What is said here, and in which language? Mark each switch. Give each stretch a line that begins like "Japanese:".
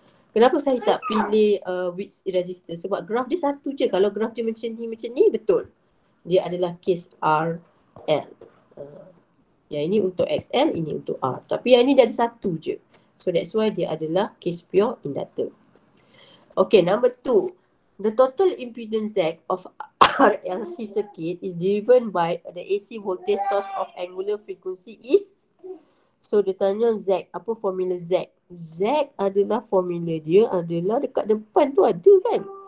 Malay: Kenapa saya tak pilih width resistor? Sebab graf dia satu je. Kalau graf dia macam ni betul. Dia adalah kes RL. Yang ini untuk XL, ini untuk R. Tapi yang ini dia ada satu je.
English: So that's why
Malay: dia adalah kes pure inductor.
English: Okay, number two. The total impedance Z of RLC circuit is driven by the AC voltage source of angular frequency is.
Malay: So dia tanya Z, apa formula Z? Z adalah formula dia adalah dekat depan tu ada kan?